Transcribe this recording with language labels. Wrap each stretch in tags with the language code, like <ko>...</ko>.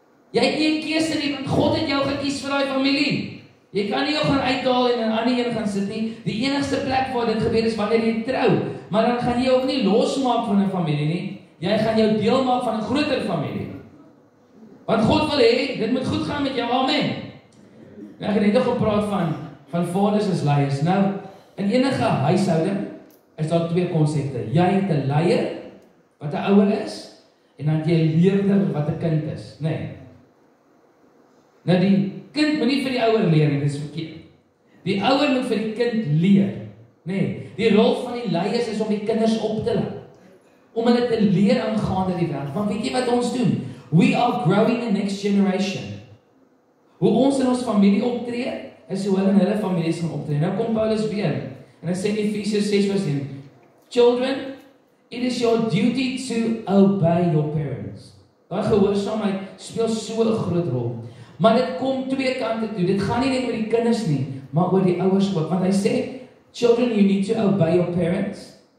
<af>Jy het nie 'n keuse nie, want God het jou gekies vir daai familie. Jy kan nie jou gaan uithaal en in 'n ander een gaan sit nie. Die enigste plek waar dit gebeur is wanneer jy trou, maar dan gaan jy ook nie losmaak van 'n familie nie. Jy gaan jou deel maak van 'n groter familie. Want God wil hê dit moet goed gaan met jou. Amen. Nou, ek het net gepraat van vaders as leiers. Nou, in enige huishouding is daar twee konsepte. Jy het 'n leier wat 'n ouer is en dan jy leerder wat 'n kind is, né? Nee. Nou die kind moet nie vir die ouer leer nie, dis verkeerd. Die ouer moet vir die kind leer, né? Nee. Die rol van die leiers is om die kinders op te lei. Om hulle te leer aangaande die wêreld. Want weet jy wat ons doen?</af> <en>We are growing the next generation.</en> <af>Hoe ons in ons familie optree, is hoe hulle in hulle families gaan optree. Nou kom Paulus weer. En hy sê in Efesiërs 6:1,</af> <en>children, it is your duty to obey your parents.</en> <af>Daai gehoorsaamheid speel so 'n groot rol. Maar dit kom twee kante toe. Dit gaan nie net oor die kinders nie, maar oor die ouers ook. Want hy sê,</af> <en>children, you need to obey your parents.</en>